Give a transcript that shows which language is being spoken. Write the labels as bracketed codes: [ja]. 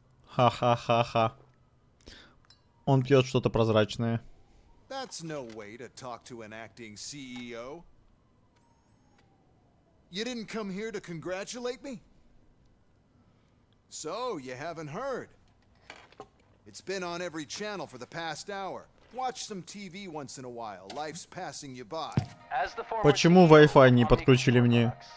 [ru] Ха-ха-ха-ха. Он пьет что-то прозрачное. [en] That's no way to talk to an acting CEO. You didn't come here to congratulate me? So, you haven't heard. It's been on every channel for the past hour. Watch some TV once in a while. Life's passing you by. [ru] Почему Wi-Fi не подключили мне?